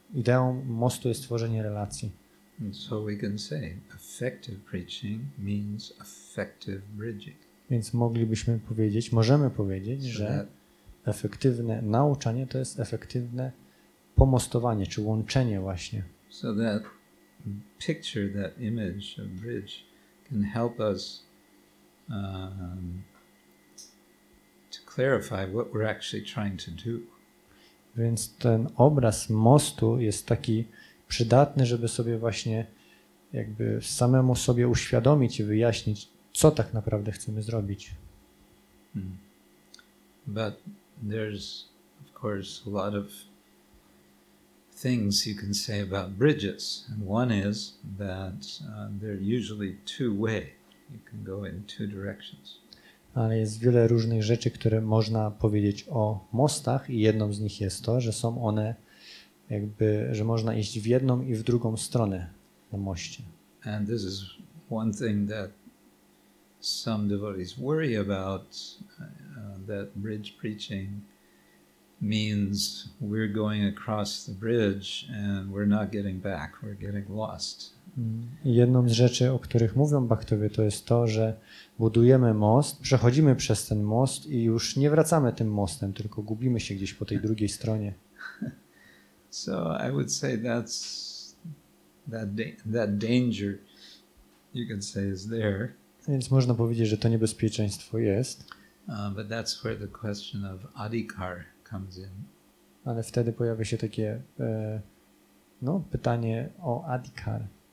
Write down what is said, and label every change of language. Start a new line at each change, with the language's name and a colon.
Polish: Ideą mostu jest tworzenie relacji.
English: So we can say effective preaching means effective bridging.
Polish: Więc moglibyśmy powiedzieć, możemy powiedzieć, że efektywne nauczanie to jest efektywne pomostowanie czy łączenie właśnie.
English: So that picture, that image of bridge can help us to clarify what we're actually trying to do.
Polish: Więc ten obraz mostu jest taki przydatny, żeby sobie właśnie jakby samemu sobie uświadomić i wyjaśnić, co tak naprawdę chcemy zrobić.
English: But there's of course a lot of things you can say about bridges. And one is that they're usually two-way. You can go in two directions.
Polish: Ale jest wiele różnych rzeczy, które można powiedzieć o mostach i jedną z nich jest to, że są one jakby, że można iść w jedną i w drugą stronę na moście.
English: And this is one thing that some devotees worry about, that bridge preaching means we're going across the bridge and we're not getting back, we're getting lost.
Polish: Jedną z rzeczy, o których mówią Bhaktowie, to jest to, że budujemy most, przechodzimy przez ten most i już nie wracamy tym mostem, tylko gubimy się gdzieś po tej drugiej stronie.
English: So I would say that's that danger, you could say, is there.
Polish: Więc można powiedzieć, że to niebezpieczeństwo jest.
English: But that's where the question of adhikar comes in.
Polish: Ale wtedy pojawia się takie pytanie o adhikar.